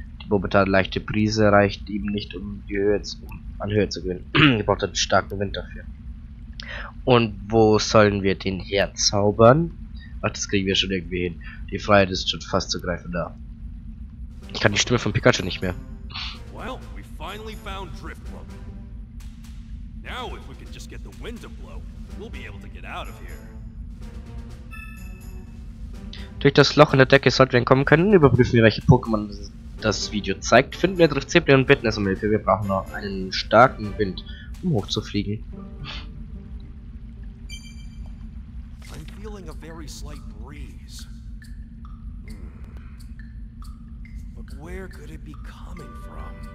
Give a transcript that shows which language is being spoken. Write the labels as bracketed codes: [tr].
[de] Momentan leichte Brise reicht ihm nicht, um die Höhe zu, um an Höhe zu gewinnen. Er braucht einen starken Wind dafür. Und wo sollen wir den herzaubern? Ach, das kriegen wir schon irgendwie hin. Die Freiheit ist schon fast zu greifen da. Ich kann die Stimme von Pikachu nicht mehr. [en] Well, we finally found Driftlum. Now, if we can just get the wind to blow, we'll be able to get out of here. [de] Durch das Loch in der Decke sollten wir entkommen können. Überprüfen wir, welche Pokémon das ist. Das Video zeigt, finden wir Drift Zeppelin und bitten es um Hilfe. Wir brauchen noch einen starken Wind, um hochzufliegen. [en] I'm feeling a very slight breeze. But where could it be coming from?